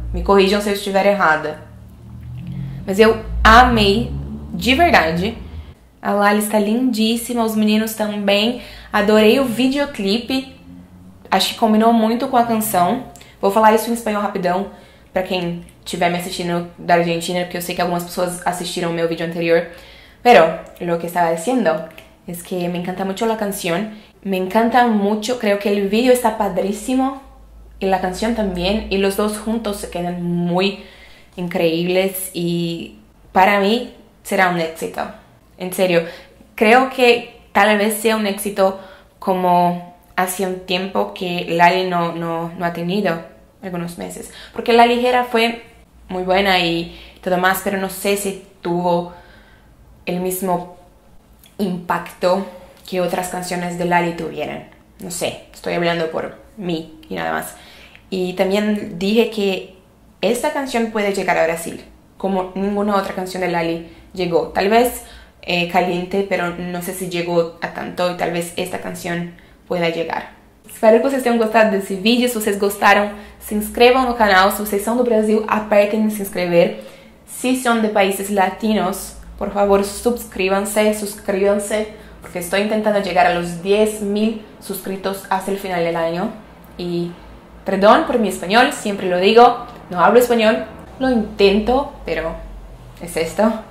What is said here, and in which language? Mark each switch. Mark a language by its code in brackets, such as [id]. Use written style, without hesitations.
[pt] Me corrijam se eu estiver errada. Mas eu amei, de verdade. A Lali está lindíssima, os meninos também. Adorei o videoclipe. Acho que combinou muito com a canção. Vou falar isso em espanhol rapidão, pra quem estiver me assistindo da Argentina, porque eu sei que algumas pessoas assistiram o meu vídeo anterior. [es] Pero, lo que estaba diciendo es que me encanta mucho la canción. Me encanta mucho, creo que el video está padrísimo. Y la canción también. Y los dos juntos se quedan muy increíbles. Y para mí será un éxito. En serio, creo que tal vez sea un éxito como hace un tiempo que Lali no ha tenido, algunos meses. Porque La Ligera fue muy buena y todo más, pero no sé si tuvo el mismo impacto que otras canciones de Lali tuvieron. No sé, estoy hablando por mí y nada más. Y también dije que esta canción puede llegar a Brasil, como ninguna otra canción de Lali llegó. Tal vez Caliente, pero no sé si llegó a tanto y tal vez esta canción pueda llegar. [pt] Espero que vocês tenham gostado desse vídeo. Se vocês gostaram, se inscrevam no canal. Se vocês são do Brasil, apertem em se inscrever. Se são de países latinos, [es] por favor, suscríbanse, [pt] porque estou tentando chegar [es] a los 10 mil suscritos hasta el final del año. E perdón por mi español, siempre lo digo, no hablo español, lo intento, pero es esto.